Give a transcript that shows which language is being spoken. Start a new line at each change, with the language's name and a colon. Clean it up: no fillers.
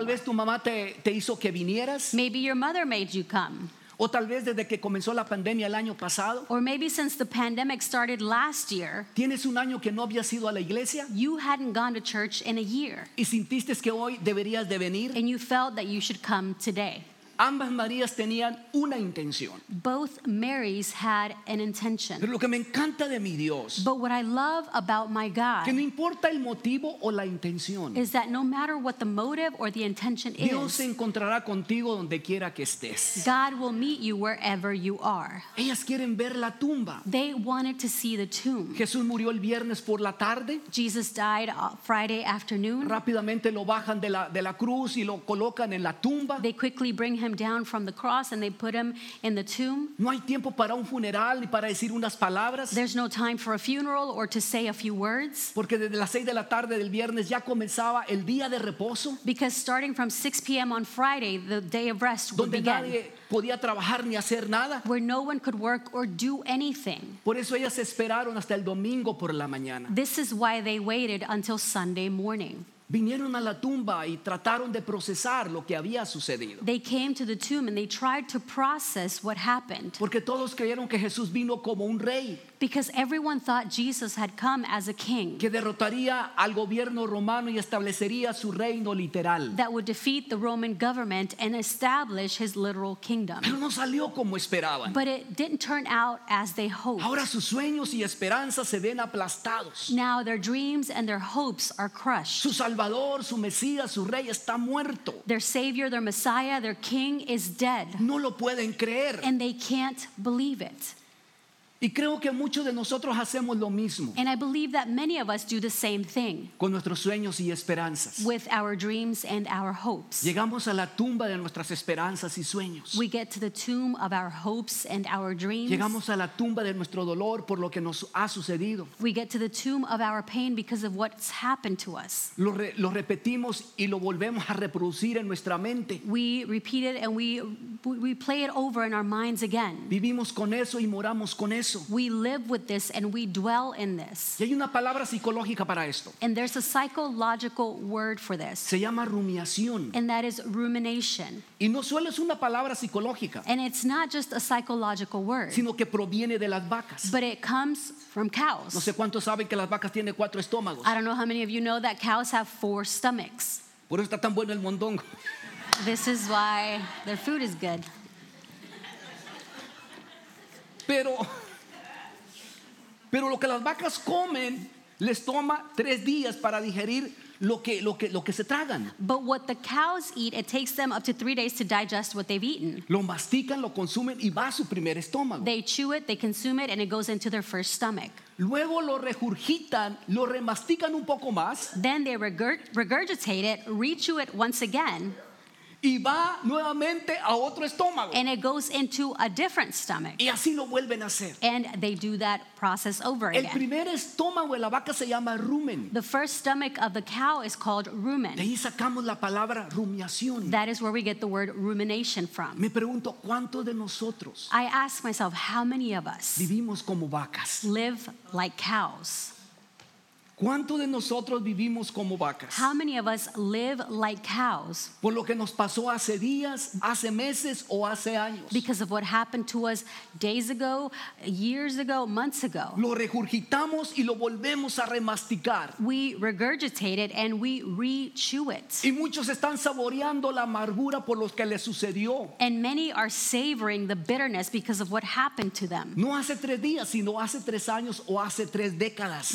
Spanish: Tal vez tu mamá te hizo que vinieras.
English: Maybe your mother made you come.
Spanish: O tal vez desde que comenzó la pandemia el año pasado.
English: Or maybe since the pandemic started last year.
Spanish: Tienes un año que no habías ido a la iglesia.
English: You hadn't gone to church in a year.
Spanish: Y sintiste que hoy deberías de venir.
English: And you felt that you should come today.
Spanish: Ambas Marías tenían una intención.
English: Both Marys had an intention.
Spanish: Pero lo que me encanta de mi Dios.
English: But what I love about my God.
Spanish: Que no importa el motivo o la intención.
English: Is that no matter what the motive or the intention
Spanish: Dios
English: is.
Spanish: Dios se encontrará contigo donde quiera que estés.
English: God will meet you wherever you are.
Spanish: Ellas quieren ver la tumba.
English: They wanted to see the tomb.
Spanish: Jesús murió el viernes por la tarde.
English: Jesus died Friday afternoon.
Spanish: Rápidamente lo bajan de la cruz y lo colocan en la tumba.
English: They quickly bring him down from the cross and they put him in the tomb.
Spanish: No hay tiempo para un funeral ni para decir unas palabras.
English: There's no time for a funeral or to say a few words.
Spanish: Porque desde las 6 de la tarde del viernes ya comenzaba el día de reposo.
English: Because starting from 6 p.m. on Friday, the day of rest would begin.
Spanish: Donde nadie podía trabajar ni hacer nada.
English: Where no one could work or do anything.
Spanish: Por eso ellas esperaron hasta el domingo por la mañana.
English: This is why they waited until Sunday morning.
Spanish: Vinieron a la tumba y trataron de procesar lo que había sucedido.
English: They came to the tomb and they tried to process what happened.
Spanish: Porque todos creyeron que Jesús vino como un rey.
English: Because everyone thought Jesus had come as a king.
Spanish: Que derrotaría al gobierno romano y establecería su reino literal.
English: That would defeat the Roman government and establish his literal kingdom.
Spanish: Pero no salió como esperaban.
English: But it didn't turn out as they hoped.
Spanish: Ahora sus sueños y esperanzas se ven aplastados.
English: Now their dreams and their hopes are crushed.
Spanish: Su Salvador, su Mesías, su Rey está muerto.
English: Their Savior, their Messiah, their King is dead.
Spanish: No lo pueden creer.
English: And they can't believe it.
Spanish: Y creo que muchos de nosotros hacemos lo mismo.
English: And I believe that many of us do the same thing.
Spanish: Con nuestros sueños y esperanzas.
English: With our dreams and our hopes.
Spanish: Llegamos a la tumba de nuestras esperanzas y sueños.
English: We get to the tomb of our hopes and our dreams.
Spanish: Llegamos a la tumba de nuestro dolor por lo que nos ha sucedido.
English: We get to the tomb of our pain because of what's happened to us.
Spanish: Lo repetimos y lo volvemos a reproducir en nuestra mente.
English: We repeat it and we play it over in our minds again.
Spanish: Vivimos con eso y moramos con eso.
English: We live with this and we dwell in this.
Spanish: Y hay una palabra psicológica para esto.
English: And there's a psychological word for this.
Spanish: Se llama rumiación.
English: And that is rumination.
Spanish: Y no solo es una palabra psicológica.
English: And it's not just a psychological word.
Spanish: Sino que proviene de las vacas.
English: But it comes from cows.
Spanish: No sé cuántos saben que las vacas tienen cuatro estómagos.
English: I don't know how many of you know that cows have four stomachs.
Spanish: Por eso está tan bueno el mondongo.
English: This is why their food is good.
Spanish: Pero lo que las vacas comen les toma tres días para digerir lo que se tragan.
English: But what the cows eat, it takes them up to 3 days to digest what they've eaten.
Spanish: Lo mastican, lo consumen y va a su primer estómago.
English: They chew it, they consume it, and it goes into their first stomach.
Spanish: Luego lo regurgitan, lo remastican un poco más.
English: Then they regurgitate it, rechew it once again.
Spanish: Y va nuevamente a otro estómago.
English: And it goes into a different stomach.
Spanish: Y así lo vuelven a hacer.
English: And they do that process over
Spanish: el
English: again.
Spanish: Primer estómago de la vaca se llama rumen.
English: The first stomach of the cow is called rumen.
Spanish: De ahí sacamos la palabra rumiación.
English: That is where we get the word rumination from.
Spanish: Me pregunto, ¿cuántos de nosotros?
English: I ask myself, how many of us
Spanish: vivimos como vacas?
English: Live like cows.
Spanish: ¿Cuántos de nosotros vivimos como vacas?
English: How many of us live like cows?
Spanish: Por lo que nos pasó hace días, hace meses o hace años.
English: Because of what happened to us days ago, years ago, months ago.
Spanish: Lo regurgitamos y lo volvemos a remasticar.
English: We regurgitate it and we re-chew it.
Spanish: Y muchos están saboreando la amargura por lo que les sucedió.
English: And many are savoring the bitterness because of what happened to them.
Spanish: No hace tres días, sino hace tres años o hace tres décadas.